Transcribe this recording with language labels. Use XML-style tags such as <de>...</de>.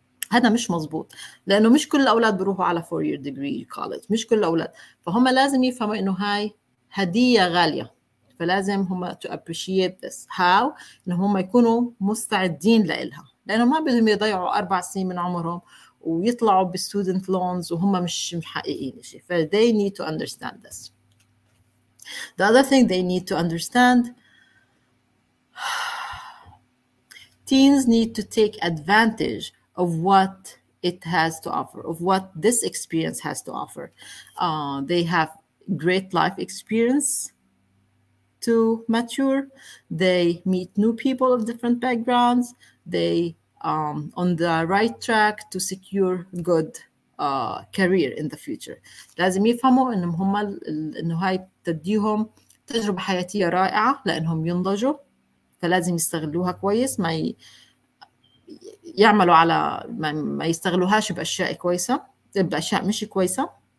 <ar>هذا مش مزبوط، لأنه مش كل الأولاد بروحوا على 4-year degree college، مش كل الأولاد، فهما لازم يفهموا إنه هاي هدية غالية، فلازم هما</ar> <en>to appreciate this.</en> <ar>How؟ إنه هما يكونوا مستعدين لإلها، لأنه ما بدهم يضيعوا 4 سنين من عمرهم ويطلعوا بالstudent loans وهما مش محققين شيء.</ar> <en>ف they need to understand this. The other thing they need to understand, teens need to take advantage of what it has to offer, of what this experience has to offer. They have great life experience to mature. They meet new people of different backgrounds. They on the right track to secure good career in the future.</en> <ar>لازم يفهموا إنهم هم إنه هاي تديهم تجربة حياتية رائعة لأنهم ينضجوا. فلازم يستغلوها كويس. يعملوا على ما يستغلوهاش بأشياء كويسة، بأشياء مش كويسة.</ar>